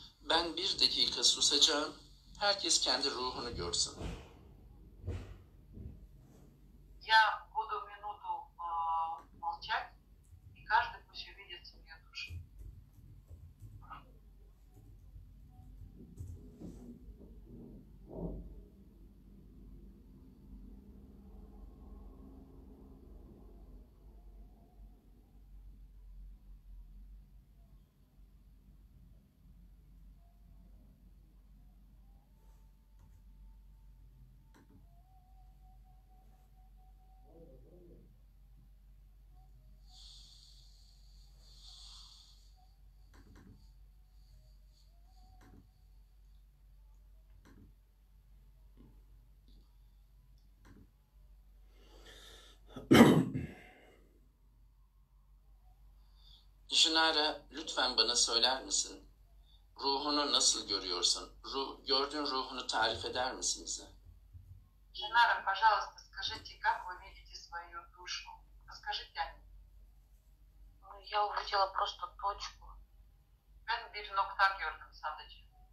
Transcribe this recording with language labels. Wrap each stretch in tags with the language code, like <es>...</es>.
<tr>Ben bir dakika susacağım. Herkes kendi ruhunu görsün.</tr> <ru>Ya budu minutu молчать, и каждый пусть увидит свою душу.</ru> <tr>Jinara, lütfen bana söyler misin? Ruhunu nasıl görüyorsun? Gördüğün ruhunu tarif eder misin bize?</tr> <ru>Jinara, пожалуйста, скажите, как вы видите свою душу? Расскажите о ней. Ну, я увидела просто точку.</ru> <tr>Ben bir nokta gördüm sadece.</tr>